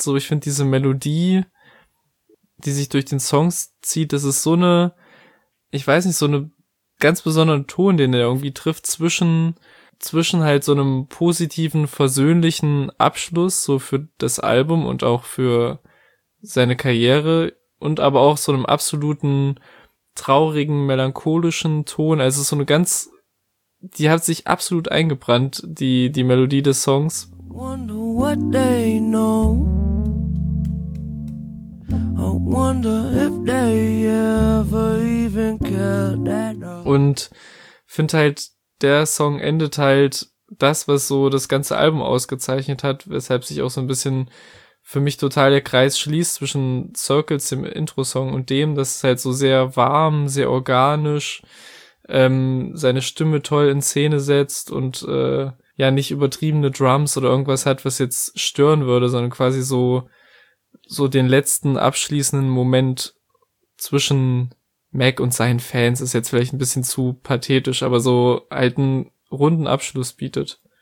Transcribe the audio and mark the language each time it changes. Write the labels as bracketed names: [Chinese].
[German] So, ich finde diese Melodie, die sich durch den Songs zieht, das ist so eine, ich weiß nicht, so eine ganz besondere Ton, den er irgendwie trifft zwischen halt so einem positiven, versöhnlichen Abschluss, so für das Album und auch für seine Karriere und aber auch so einem absoluten traurigen, melancholischen Ton. Also es ist so eine ganz, die hat sich absolut eingebrannt, die Melodie des Songs. [English] Wonder what they know. I wonder if they ever even cared at all. [German] Und finde halt, der Song endet halt das, was so das ganze Album ausgezeichnet hat, weshalb sich auch so ein bisschen für mich total der Kreis schließt zwischen Circles, dem Intro-Song, und dem. Das ist halt so sehr warm, sehr organisch, seine Stimme toll in Szene setzt und nicht übertriebene Drums oder irgendwas hat, was jetzt stören würde, sondern quasi so den letzten abschließenden Moment zwischen Mac und seinen Fans, ist jetzt vielleicht ein bisschen zu pathetisch, aber so halt einen runden Abschluss bietet.